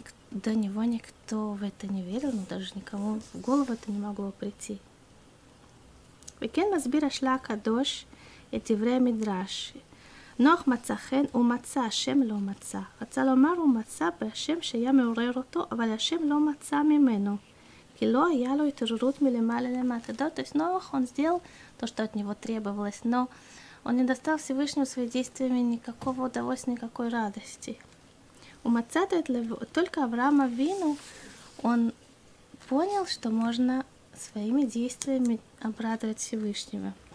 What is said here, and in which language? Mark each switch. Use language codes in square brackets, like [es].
[ru] До него никто в это не верил, но даже никому в голову это не могло прийти. [he] וכן מסביר השלה הקדוש את דברי המדרש. נוח מצא חן, הוא מצא, השם לא מצא. רצה לומר, הוא מצא בהשם שהיה מעורר אותו, אבל השם לא מצא ממנו. כי לא היה לו התעוררות מלמעלה למטה. [ru] Да, то есть Нох, он сделал то, что от него требовалось, но он не достал Всевышнему своими действиями никакого удовольствия, никакой радости. У мотца, только Авраама Вину, он понял, что можно своими действиями обрадовать Всевышнего.